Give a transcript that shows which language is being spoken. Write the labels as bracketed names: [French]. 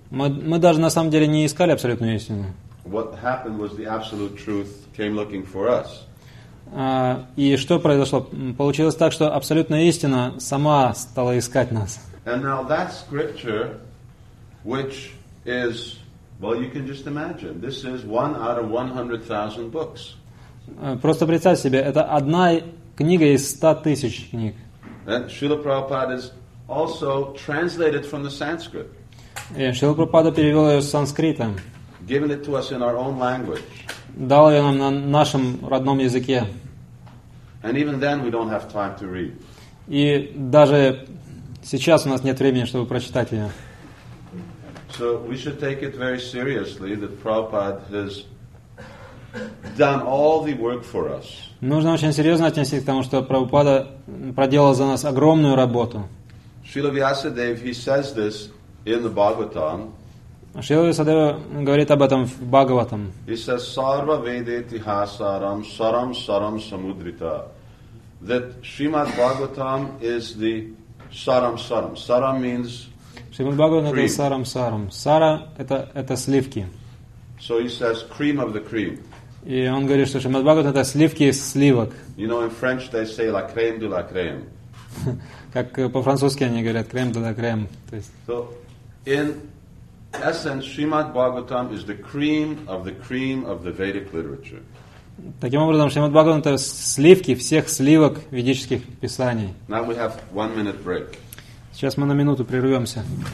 [Russian] Мы даже на самом деле не искали абсолютную истину. [English] What happened was the absolute truth came looking for us. [Russian] И что произошло? Получилось так, что абсолютная истина сама стала искать нас. [English] And now that scripture, which is, well, you can just imagine, this is one out of 100,000 books. [Russian] Просто представь себе, это одна книга из 100,000 книг. [English] And Srila Prabhupada is also translated from the Sanskrit. [Russian] И Шрила Прабхупада перевел ее с санскрита. [English] Given it to us in our own language. [Russian] Дал ее нам на нашем родном языке. [English] And even then we don't have time to read. [Russian] И даже сейчас у нас нет времени, чтобы прочитать ее. [English] So we should take it very seriously that Prabhupada has done all the work for us. [Russian] Нужно очень серьезно относиться к тому, что Прабхупада проделал за нас огромную работу. [English] Шрила Вьясадева, he says this in the Bhagavatam. [Russian] Шрила Вьясадева говорит об этом в Бхагаватам. [English] He says, [Sanskrit] "Sarva Veda Itihasaram Saram Saram Samudrita." [English] That Srimad Bhagavatam is the Saram Saram. Saram means [Russian] Шримад Бхагаватам это Saram Saram. Сара это сливки. [English] So he says, "Cream of the cream." [Russian] И он говорит, что Шримад Бхагаватам это сливки из сливок. [English] You know, in French they say [French] la crème de la crème. [Russian] Как по-французски они говорят, крем де ла крем. [English] So, in essence, Srimad Bhagavatam is the cream of the cream of the Vedic literature. [Russian] Таким образом, Шримад Бхагаватам это сливки всех сливок ведических писаний. [English] Now we have 1 minute break. [Russian] Сейчас мы на минуту прервемся.